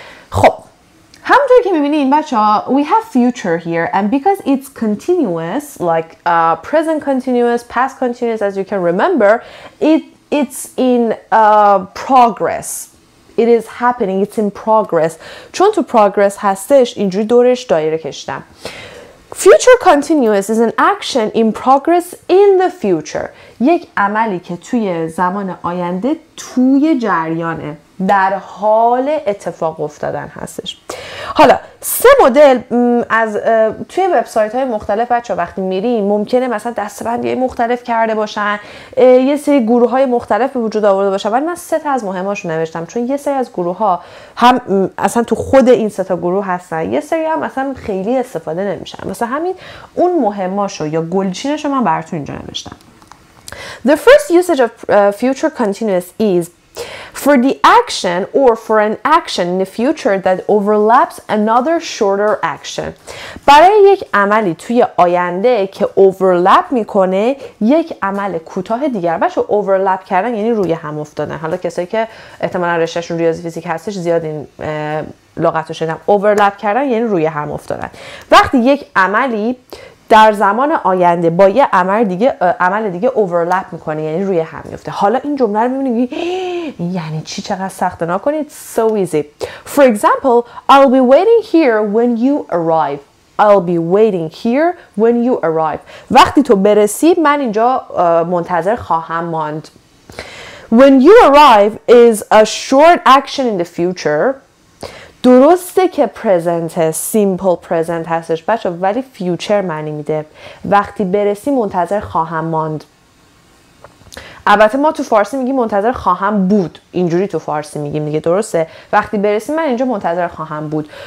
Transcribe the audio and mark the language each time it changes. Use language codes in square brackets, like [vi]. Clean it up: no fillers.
[fa] خب همونطور که میبینین بچه ها، [en] we have future here and because it's continuous like present continuous, past continuous as you can remember it's in progress. It is happening. It's in progress. [fa] چون تو progress هستش، اینجوری دورش دایره کشتم. [en] Future continuous is an action in progress in the future. [fa] یک عملی که توی زمان آینده توی جریانه، در حال اتفاق افتادن هستش. حالا سه مدل از توی وبسایت های مختلف بچه ها وقتی میرین ممکنه مثلا دستبندی های مختلف کرده باشن، یه سری گروه های مختلف به وجود آورده باشن، ولی من سه تا از مهماشو نوشتم چون یه سری از گروه ها هم اصلا تو خود این سه تا گروه هستن، یه سری هم اصلا خیلی استفاده نمیشن، مثلا همین اون مهماشو یا گلچینشو من براتون اینجا نوشتم. [en] The first usage of future continuous is for the action or for an action in the future that overlaps another shorter action. [fa] برای یک عملی توی آینده که overlap میکنه یک عمل کوتاه دیگر. بچه overlap کردن یعنی روی هم افتادن. حالا کسایی که احتمالا رشتهشون ریاضی فیزیک هستش زیاد این لغت رو شنیدن. Overlap کردن یعنی روی هم افتادن. وقتی یک عملی در زمان آینده با یه عمل دیگه اوورلپ میکنه، یعنی روی هم میفته. حالا این جمله رو میبینید یعنی چی، چقدر سخت نکنید. [en] So easy. For example, I'll be waiting here when you arrive. I'll be waiting here when you arrive. [fa] وقتی تو برسی من اینجا منتظر خواهم ماند. [en] When you arrive is a short action in the future. [fa] درسته که پرزنته، سیمپل پرزنت هستش بچه، ولی فیوچر معنی میده. وقتی برسی منتظر خواهم ماند. البته ما تو فارسی میگیم منتظر خواهم بود، اینجوری تو فارسی میگیم دیگه، درسته؟ وقتی برسی من اینجا منتظر خواهم بود.